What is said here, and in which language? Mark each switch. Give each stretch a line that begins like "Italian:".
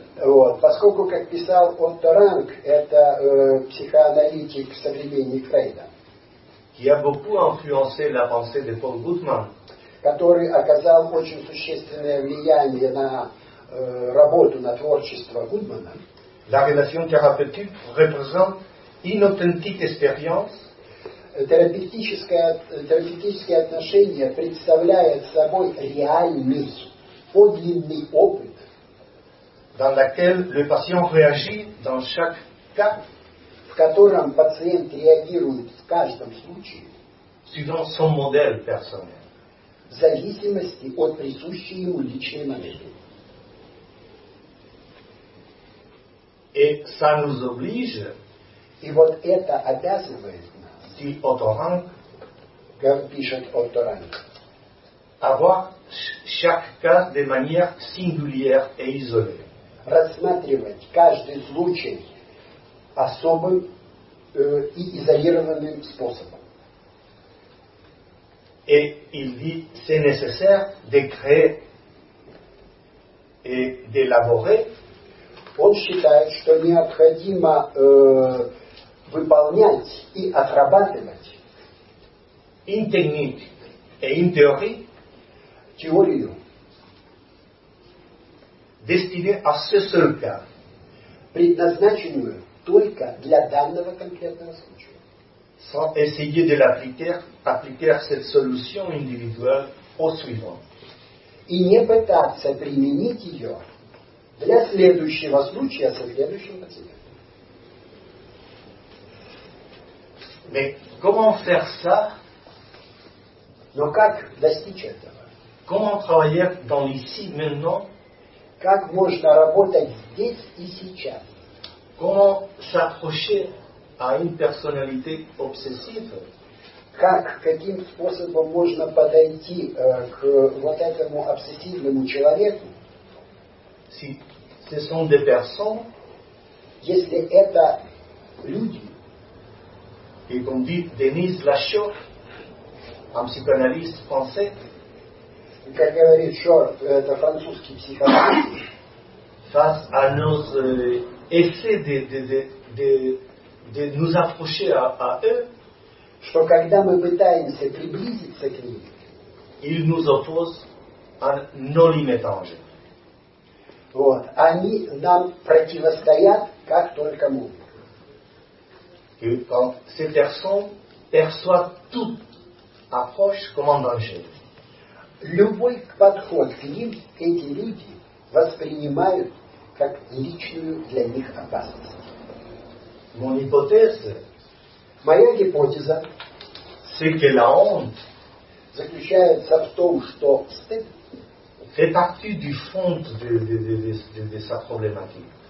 Russian: Вот, поскольку, как писал Otto Rank, это психоаналитик современник Фрейда,
French: qui a beaucoup influencé la pensée de Paul Goodman.
Russian: Который оказал очень существенное влияние на работу, на творчество Гудмана.
French: La relation thérapeutique représente une authentique expérience.
Russian: Терапевтические отношения представляют собой реальный, подлинный опыт,
French: dans laquelle le patient réagit dans chaque cas,
Russian: в котором пациент реагирует в каждом случае,
French: suivant son modèle personnel,
Russian: в зависимости от присущей ему личной модели.
French: Et ça nous oblige,
Russian: и вот это обязывает
French: dit Otto-Rank,
Russian: пишет Otto-Rank,
French: avoir chaque cas de manière singulière et isolée.
Russian: Рассматривать каждый случай особым и изолированным способом.
French: Et il dit, c'est nécessaire de créer et d'élaborer.
Russian: Он считает, что необходимо выполнять и отрабатывать
French: une technique et une théorie,
Russian: теорию,
French: destinée à ce seul cas,
Russian: предназначенную только для данного конкретного случая,
French: sans essayer de l'appliquer cette solution individuelle au suivant,
Russian: и не пытаться применить ее для следующего случая со следующим пациентом.
French: Mais comment faire ça?
Russian: Но как достичь этого?
French: Comment travailler dans l'ici maintenant?
Russian: Как можно работать здесь и сейчас?
French: Comment s'approcher à une personnalité obsessive?
Russian: Каким способом можно подойти к вот этому обсессивному человеку?
French: Si ce sont des personnes,
Russian: если это люди.
French: Et comme dit Denise Lachaud, un psychanalyste français,
Russian: как говорит Шорт, это французский психоаналитик,
French: face à nos essais de nous approcher à eux,
Russian: что когда мы пытаемся приблизиться к ним,
French: ils nous opposent à nos limites.
Russian: Вот, они нам противостоят как только могут.
French: Que quand ces personnes perçoivent toute approche comme un danger.
Russian: Любой подход к ним эти люди воспринимают как личную для них опасность.
French: Mon hypothèse,
Russian: моя гипотеза,
French: c'est que la honte
Russian: заключается в том, что стыд
French: fait partie du fond de sa problématique.